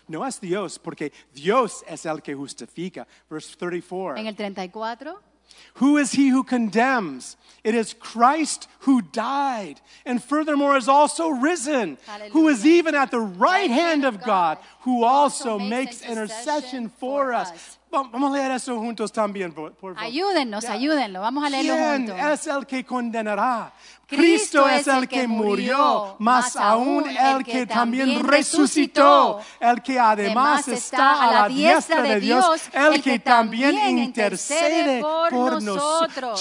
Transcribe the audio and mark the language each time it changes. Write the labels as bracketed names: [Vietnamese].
[Spanish] No es Dios, porque Dios es el que justifica. [English] Verse 34. [Spanish] En el 34. [English] Who is he who condemns? It is Christ who died and furthermore is also risen, Hallelujah. Who is even at the right hand of God, who also makes intercession for us. [Spanish] Vamos a leer eso juntos también, por favor. Ayúdennos, yeah. Ayúdenlo. Vamos a leerlo ¿Quién juntos. ¿Quién es el que condenará? Cristo es el que murió, más aún el que también resucitó, el que además está a la diestra de Dios, el que también intercede por nosotros.